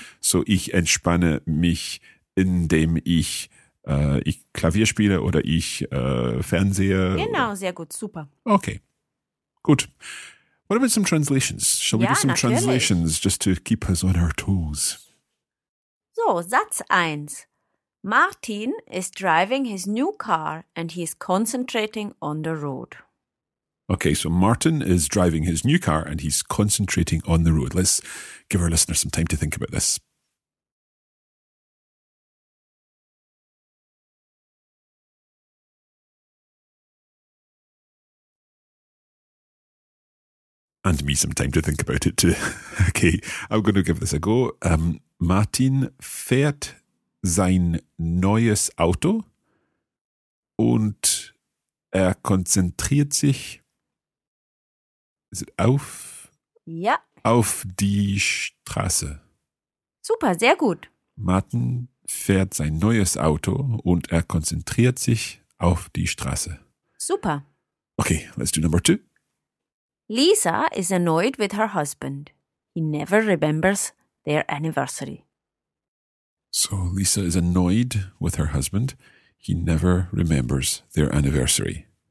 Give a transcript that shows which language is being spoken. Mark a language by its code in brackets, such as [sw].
[de] So ich entspanne mich, indem ich, ich Klavier spiele oder ich fernsehe. Genau, oder? Sehr gut, super. Okay. Gut. [en] What about some translations? Shall we [de] ja, [en] do some [de] natürlich. [en] Translations just to keep us on our toes? [de] So, Satz 1. [en] Martin is driving his new car and he is concentrating on the road. Okay, so Martin is driving his new car and he's concentrating on the road. Let's give our listeners some time to think about this. And me some time to think about it too. Okay, I'm going to give this a go. [de] Martin fährt sein neues Auto und er konzentriert sich auf, ja. auf die Straße. Super, sehr gut. Martin fährt sein neues Auto und er konzentriert sich auf die Straße. Super. [en] Okay, let's do number two. Lisa is annoyed with her husband. He never remembers their anniversary. So Lisa is annoyed with her husband. He never remembers their anniversary.